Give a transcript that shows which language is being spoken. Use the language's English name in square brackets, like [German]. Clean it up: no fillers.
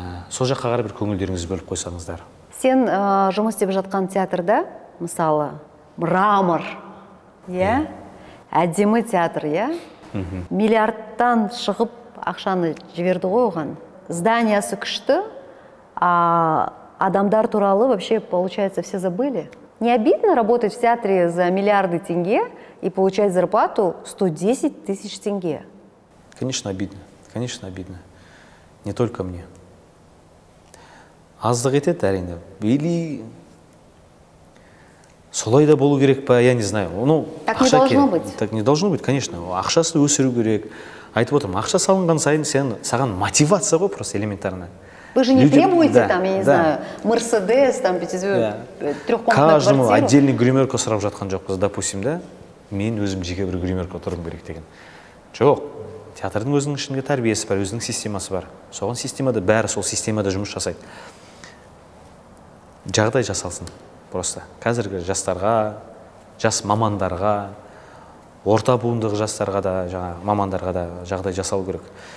[Kazakh] Сол жаққа қарай бір көңілдеріңізді бөліп қойсаңыздар. Сен жұмыс істеп жатқан театрда, мысалы, мрамор, иә? Әдемі театр, иә? Миллиардтан шығып ақшаны жіберді ғой оған. Зданиясы күшті, а адамдар туралы [Russian] вообще, получается, все забыли. Не обидно работать в театре за миллиарды тенге и получать зарплату 110 тысяч тенге? Конечно, обидно. Конечно, обидно. Не только мне. [Kazakh] Аздық етеді, әрине. [Russian] Или [Kazakh] солай да болу керек па, [Russian] я не знаю. Ну, так не должно быть. Так не должно быть, конечно. [Kazakh] Ақшасы өсіру керек. Айтып отырмын, ақша салынған сайын саған мотивация ғой [Russian] просто элементарно. Вы же не требуете, да, там, я не, да, знаю, Мерседес, там, пятизвездочную, да, трехкомнатную квартиру. Каждому отдельный гримерка сразу же от ханджоку, допустим, да? [Kazakh] Мен өзім жеке бір гримерка тұрым керек деген. Жоқ, театрдың өзінің ішінде тәрбиесі бар, өзінің системасы бар. Соған системада бәрі сол системада жұмыс жасайды. Жағдай жасалсын просто. Қазіргі жастарға, жас мамандарға, орта буындық жастарға да, жаңа мамандарға да жағдай жасалу керек.